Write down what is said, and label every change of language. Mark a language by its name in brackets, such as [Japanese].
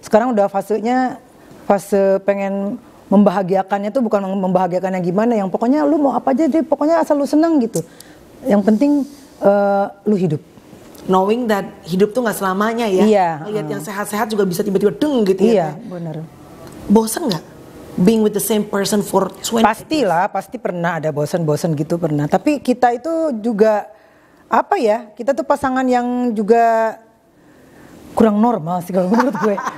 [Indonesian] Sekarang udah fasenya, fase pengen membahagiakannya tuh bukan membahagiakannya gimana, yang pokoknya lu mau apa aja deh, pokoknya asal lu seneng gitu. Yang penting lu hidup. [English] Knowing that [Indonesian] hidup tuh gak selamanya ya. Iya. Lihat yang sehat-sehat juga bisa tiba-tiba deng gitu. Iya, ya. Iya benar. Bosan gak? [English] Being with the same person for 20 years? [Indonesian] Pastilah, pasti pernah ada bosan-bosan gitu pernah. Tapi kita itu juga, apa ya, kita tuh pasangan yang juga kurang normal sih kalau menurut gue.